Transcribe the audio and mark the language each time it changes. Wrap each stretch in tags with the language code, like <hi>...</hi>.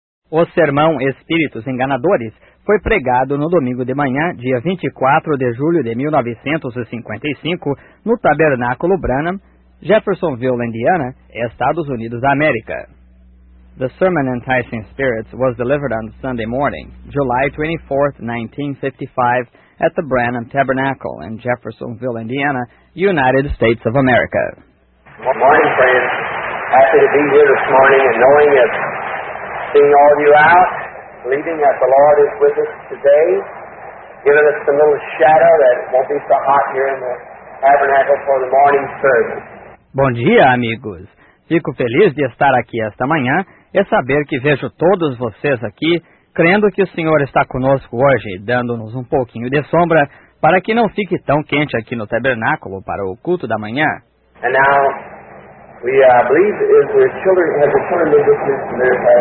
<pt>O sermão Espíritos Enganadores foi pregado no domingo de manhã, dia 24 de julho de 1955, no Tabernáculo Branham, Jeffersonville, Indiana, Estados Unidos da América.</pt> <en>The sermon Enticing Spirits was delivered on Sunday morning, July 24, 1955, at the Branham Tabernacle in Jeffersonville, Indiana, United States of America. Good morning, friends. Happy to be here this morning and knowing that seeing all of you out, believing that the Lord is with us today, giving us some little shadow that won't be so hot here in the tabernacle for the morning service.</en> <pt>Bom dia, amigos. Fico feliz de estar aqui esta manhã e saber que vejo todos vocês aqui, crendo que o Senhor está conosco hoje, dando-nos um pouquinho de sombra para que não fique tão quente aqui no tabernáculo para o culto da manhã.</pt> <en>And now, we believe is their children have returned with us to their</en>